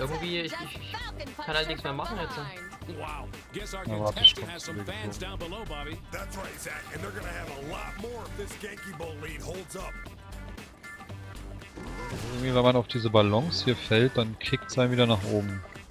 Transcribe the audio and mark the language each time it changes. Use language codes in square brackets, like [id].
[de] Irgendwie, ich kann halt nichts mehr machen jetzt. [en] Wow, guess our contestant has some fans down below, Bobby. That's right, Zach, and they're gonna have a lot more if this Genki Bowl lead holds up. [de] Irgendwie, wenn man auf diese Ballons hier fällt, dann kickt's einen wieder nach oben.